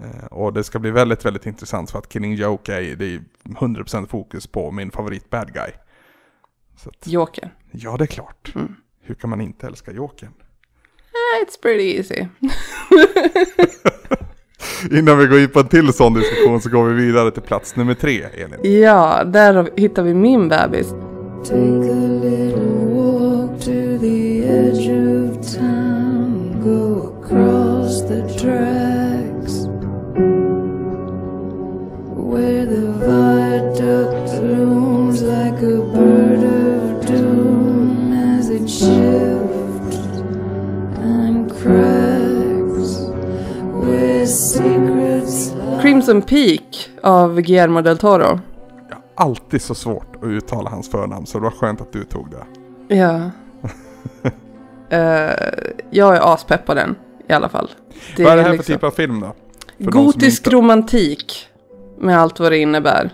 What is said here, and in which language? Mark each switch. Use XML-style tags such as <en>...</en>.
<sv>Och det ska bli väldigt, väldigt intressant för att Killing Joke är, det är 100% fokus på min favorit bad guy. Så att, Joker. Ja, det är klart. Mm. Hur kan man inte älska Joker?</sv> <en>It's pretty easy.</en> <sv>Innan vi går in på en till sån diskussion så går vi vidare till plats nummer 3, Elin. Ja, där hittar vi min bebis.</sv> <en>Take a little walk to the edge of town. Go across the tracks. Where the viaduct looms like a bird of doom as it shifts and cracks with secrets.</en> <sv>Crimson Peak av Guillermo del Toro. Ja, alltid så svårt att uttala hans förnamn, så det var skönt att du tog det. Ja. jag är aspepp på den, i alla fall. Det vad är det här liksom... för typ av film då? För gotisk inte... romantik. Med allt vad det innebär.</sv>